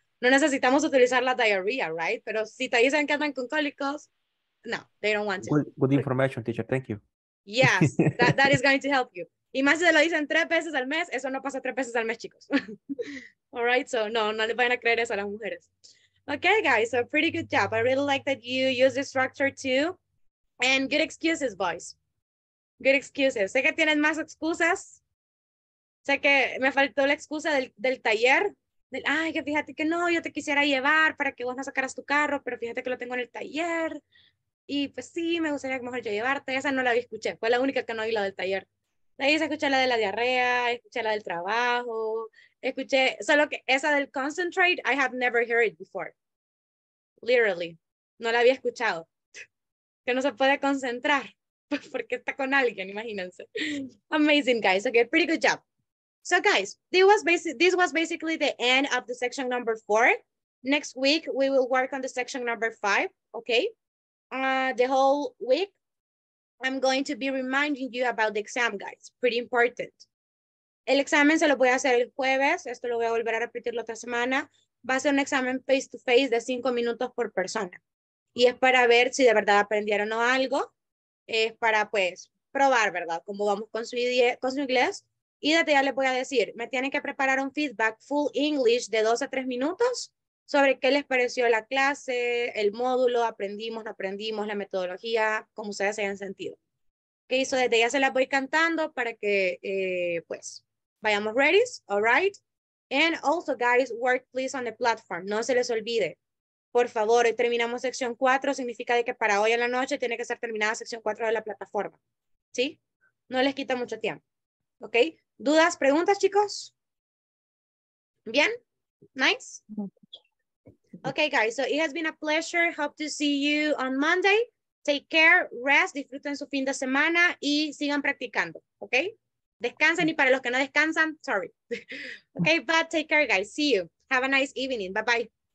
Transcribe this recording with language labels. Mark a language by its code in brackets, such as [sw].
[es] No necesitamos utilizar la diarrhea, right? Pero si te dicen que andan con cólicos, no, [en] they don't want to. Good information, teacher. Thank you. Yes, that is going to help you. [es] Y más si te lo dicen tres veces al mes, eso no pasa tres veces al mes, chicos. All right, so no les vayan a creer eso a las mujeres. [en] Okay, guys, so pretty good job. I really like that you use the structure too. And good excuses, boys. Good excuses. [es] Sé que tienen más excusas, sé que me faltó la excusa del taller. Ay, que fíjate que no, yo te quisiera llevar para que vos no sacaras tu carro, pero fíjate que lo tengo en el taller. Y pues sí, me gustaría que mejor yo llevarte. Esa no la vi, escuché, fue la única que no vi, la del taller. Ahí se escucha la de la diarrea, escuché la del trabajo, escuché, solo que esa del concentrate, [en] I have never heard it before. [es] Literally, no la había escuchado. Que no se puede concentrar porque está con alguien, imagínense. [en] Amazing, guys. Okay, pretty good job. So guys, this was basically the end of the section number 4. Next week, we will work on the section number 5, okay? The whole week, I'm going to be reminding you about the exam, guys. Pretty important. [es] El examen se lo voy a hacer el jueves. Esto lo voy a volver a repetir la otra semana. Va a ser un examen face-to-face de 5 minutos por persona. Y es para ver si de verdad aprendieron o algo. Es para, pues, probar, ¿verdad? Cómo vamos con su inglés. Y desde ya les voy a decir, me tienen que preparar un feedback full English de 2 a 3 minutos sobre qué les pareció la clase, el módulo, aprendimos, no aprendimos, la metodología, cómo ustedes se hayan sentido. ¿Qué hizo? Desde ya se las voy cantando para que, pues, vayamos ready, all right? [en] And also, guys, work please on the platform. [es] No se les olvide. Por favor, hoy terminamos sección 4, significa de que para hoy en la noche tiene que ser terminada sección 4 de la plataforma. ¿Sí? No les quita mucho tiempo. ¿Ok? ¿Dudas, preguntas, chicos? ¿Bien? ¿Nice? [en] Ok, guys, so it has been a pleasure. Hope to see you on Monday. Take care, rest, [es] disfruten su fin de semana y sigan practicando. [en] ¿Ok? [es] Descansen, y para los que no descansan, sorry. [en] Ok, but take care, guys. See you. Have a nice evening. Bye-bye.